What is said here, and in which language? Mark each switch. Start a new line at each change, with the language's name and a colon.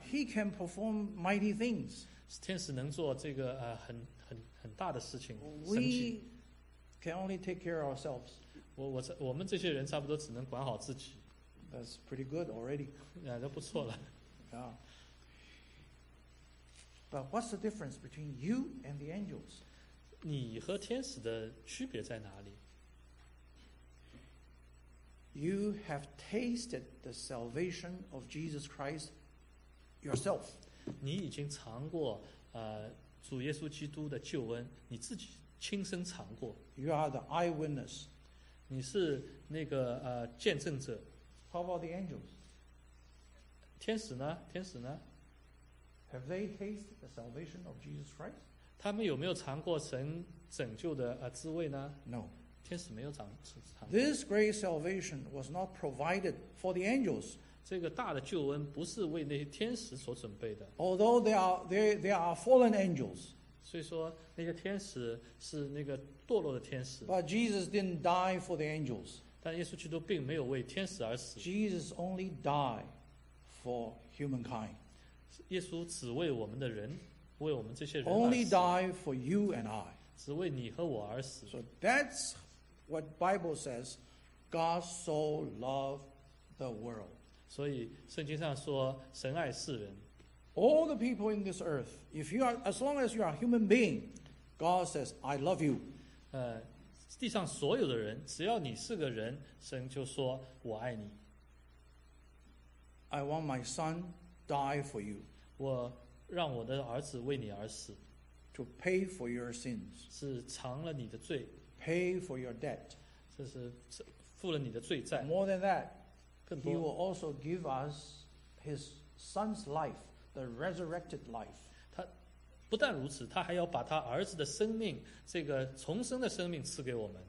English: He can perform mighty things.
Chinese: 天使能做这个很大的事情。
English: We can only take care of ourselves.
Chinese: 我们这些人差不多只能管好自己。
English: That's pretty good already.
Chinese: 都不错了。
English: Yeah. But what's the difference between you and the angels?
Chinese: 你和天使的区别在哪里？
English: You have tasted the salvation of Jesus Christ yourself.
Chinese: 你已经尝过主耶稣基督的救恩，你自己亲身尝过。
English: You are the eyewitness.
Chinese: 你是那个见证者。
English: How about the angels?
Chinese: 天使呢？
English: Have they tasted the salvation of Jesus Christ?
Chinese: 他们有没有尝过神拯救的滋味呢？
English: No.
Chinese: 天使没有长。
English: This great salvation was not provided for the angels.
Chinese: 这个大的救恩不是为那些天使所准备的。
English: Although they are fallen angels.
Chinese: 所以说那些天使是那个堕落的天使。
English: But Jesus didn't die for the angels.
Chinese: 但耶稣基督并没有为天使而死。
English: Jesus only died for humankind.
Chinese: 耶稣只为我们的人，为我们这些人而死。
English: Only died for you and I.
Chinese: 只为你和我而死。
English: So that's what Bible says. God so loved the world.
Chinese: 所以圣经上说神爱世人。
English: All the people in this earth, if you are as long as you are a human being, God says I love you.
Chinese: 地上所有的人，只要你是个人，神就说我爱你。
English: I want my son die for you.
Chinese: 我让我的儿子为你而死。
English: To pay for your sins,
Chinese: 是偿了你的罪。
English: Pay for your debt,
Chinese: 这是付了你的罪债。
English: More than that, he will also give us his son's life, the resurrected life.
Chinese: 他不但如此，他还要把他儿子的生命，这个重生的生命赐给我们。